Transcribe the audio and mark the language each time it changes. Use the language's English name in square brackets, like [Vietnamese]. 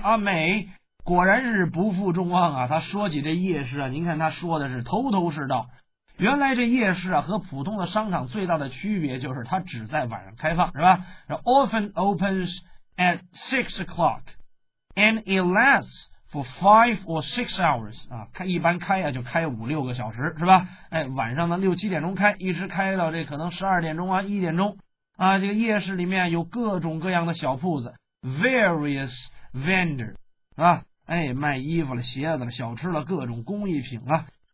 [Chinese] 阿美果然是不负众望啊，她说起这夜市啊，您看她说的是头头是道。原来这夜市啊和普通的商场最大的区别就是它只在晚上开放，是吧？ [English] Often opens at 6 o'clock and it lasts for 5 or 6 hours. [Chinese] 一般开啊就开5-6个小时，是吧？晚上呢6-7点钟开，一直开到这可能12点钟啊1点钟啊。这个夜市里面有各种各样的小铺子 ， [English] various vendor [Chinese] 是吧？卖衣服了、鞋子了、小吃了、各种工艺品啊。